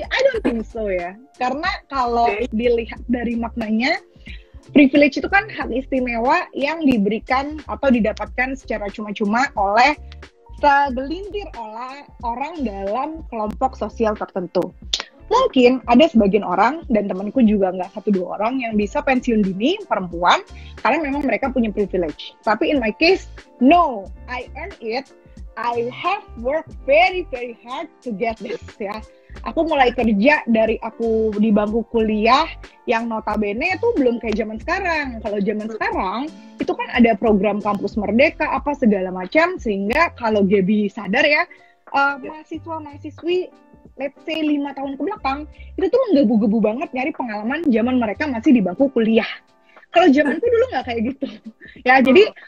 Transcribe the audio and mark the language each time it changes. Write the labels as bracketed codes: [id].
[en] I don't think so [id] ya. Karena kalau dilihat dari maknanya, privilege itu kan hak istimewa yang diberikan atau didapatkan secara cuma-cuma oleh segelintir orang dalam kelompok sosial tertentu. Mungkin ada sebagian orang, dan temanku juga nggak satu dua orang, yang bisa pensiun dini, perempuan, karena memang mereka punya privilege. [en] Tapi in my case, no, I earn it. I have worked very, very hard to get this, ya. [id] Aku mulai kerja dari aku di bangku kuliah, yang notabene itu belum kayak zaman sekarang. Kalau zaman sekarang, itu kan ada program Kampus Merdeka, apa segala macam, sehingga kalau Gaby sadar ya, mahasiswa-mahasiswi, [en] let's say [id] 5 tahun kebelakang, itu tuh menggebu-gebu banget nyari pengalaman zaman mereka masih di bangku kuliah. Kalau zamanku dulu nggak kayak gitu. Ya, jadi